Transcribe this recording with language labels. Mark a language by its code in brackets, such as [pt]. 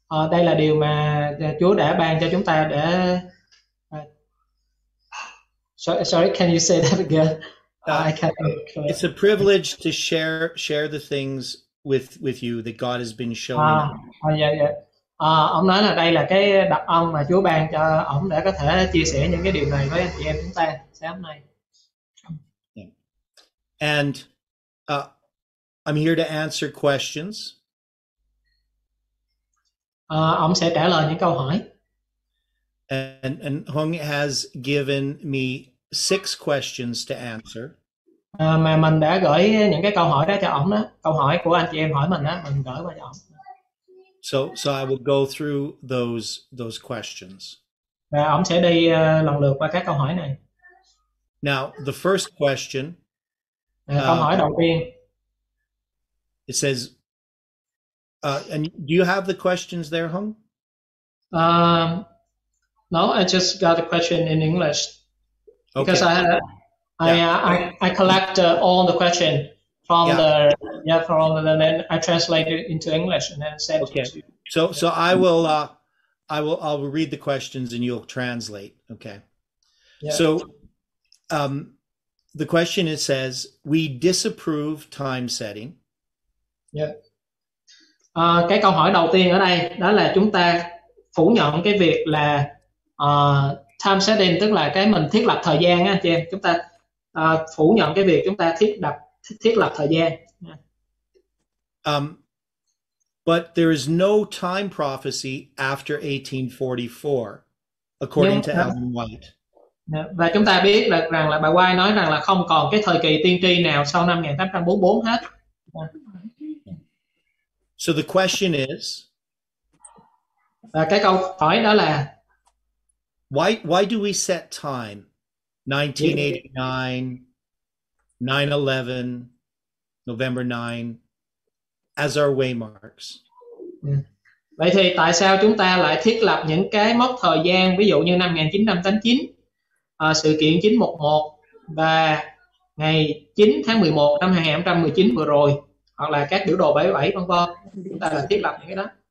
[vi] Đây là điều mà Chúa đã ban cho chúng ta để [en] sorry, can you say that again? I can't. It's a privilege to share the things with you that God has been showing. [vi] Ông nói là đây là cái đặc ân mà Chúa ban cho ông để có thể chia sẻ những cái điều này với anh chị em chúng ta sáng hôm nay. [en] Yeah. And I'm here to answer questions. [vi] Ông sẽ trả lời những câu hỏi. [en] And Hung has given me 6 questions to answer. [vi] Mà mình đã gửi những cái câu hỏi đó cho ông đó, câu hỏi của anh chị em hỏi mình đó, mình gửi qua cho ông. [en] So I will go through those questions. [vi] Và ông sẽ đi lần lượt qua các câu hỏi này. [en] Now, the first question. [vi] Câu hỏi đầu tiên. [en] It says, and do you have the questions there, Hung? No, I just got the question in English. Okay. Because I collect all the question from then I translate it into English and then send okay. it to you. So I will read the questions and you'll translate. Okay. Yeah. So the question it says, we disapprove time setting. Yeah. [vi] Cái câu hỏi đầu tiên ở đây đó là chúng ta phủ nhận cái việc là time setting, tức là cái mình thiết lập thời gian á chị em, chúng ta phủ nhận cái việc chúng ta thiết lập thời gian. [en] But there is no time prophecy after 1844 according to Ellen White. [vi] Và chúng ta biết được rằng là bà White nói rằng là không còn cái thời kỳ tiên tri nào sau năm 1844 hết. [en] So the question is, [vi] cái câu hỏi đó là [en] why do we set time 1989, 9/11, November 9 as our waymarks? [vi] Vậy thì tại sao chúng ta lại thiết lập những cái mốc thời gian ví dụ như năm 1989, sự kiện 911 và ngày 9 tháng 11 năm 2019 vừa rồi? Hoặc là các biểu đồ 77 vân vân, chúng ta là thiết lập những cái đó.